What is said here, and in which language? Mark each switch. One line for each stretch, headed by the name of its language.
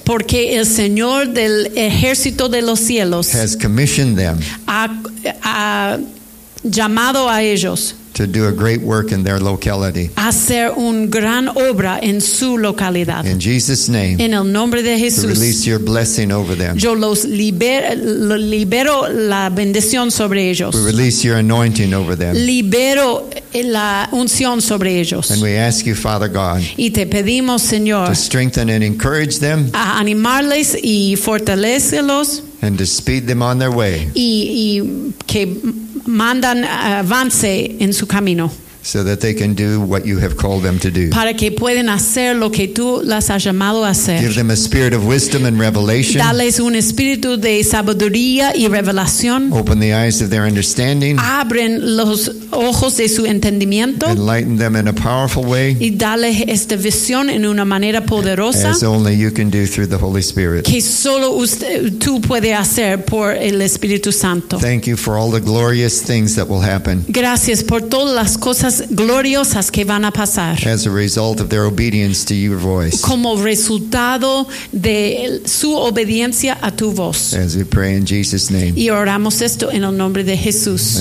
Spanish: Porque el Señor del ejército de los cielos
English: has commissioned them.
Spanish: Ha llamado a ellos.
English: To do a great work in their locality.
Spanish: Hacer un gran obra en su localidad.
English: In Jesus' name.
Spanish: En el nombre de Jesús.
English: To release your blessing over them.
Spanish: Yo los libero la bendición sobre ellos.
English: We release your anointing over them.
Spanish: Libero la unción sobre ellos.
English: And we ask you, Father God.
Spanish: Y te pedimos, Señor.
English: To strengthen and encourage them.
Spanish: A animarles y fortalecerlos.
English: And to speed them on their way.
Spanish: Y que mandan avance en su camino.
English: So that they can do what you have called them to do.
Spanish: Para que pueden hacer lo que tú las has llamado a hacer.
English: Give them a spirit of wisdom and revelation.
Spanish: Dales un espíritu de sabiduría y revelación.
English: Open the eyes of their understanding.
Spanish: Abren los ojos de su entendimiento.
English: Enlighten them in a powerful way.
Spanish: Y dale esta visión en una manera poderosa.
English: As only you can do through the Holy Spirit.
Spanish: Que solo usted, tú puedes hacer por el Espíritu Santo.
English: Thank you for all the glorious things that will happen.
Spanish: Gracias por todas las cosas gloriosas que van a pasar.
English: As a result of their obedience to your voice.
Spanish: Como resultado de su obediencia a tu voz.
English: As we pray in Jesus' name.
Spanish: Y oramos esto en el nombre de Jesús.